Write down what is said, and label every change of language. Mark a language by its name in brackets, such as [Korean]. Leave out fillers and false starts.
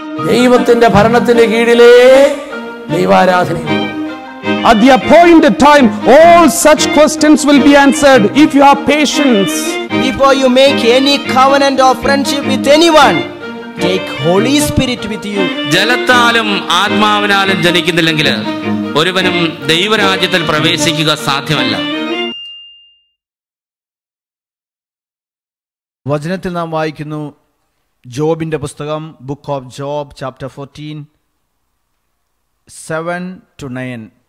[Malayalam] ദൈവത്തിന്റെ ഭരണത്തിന്റെ കീഴിലേ ദൈവാരാധനയും. [English] At the appointed time, all such questions will be answered if you have patience. Before you make any covenant or friendship with anyone, take Holy Spirit with you. [Malayalam] ജലത്താലും ആത്മാവിനാലും ജനിക്കുന്നില്ലെങ്കിൽ ഒരുവനും ദൈവരാജ്യത്തിൽ പ്രവേശിക്കുക സാധ്യമല്ല. വചനത്തിൽ നാം വായിക്കുന്നു ജോബിന്റെ പുസ്തകം, ബുക്ക് ഓഫ് ജോബ്, ചാപ്റ്റർ 14:7-9.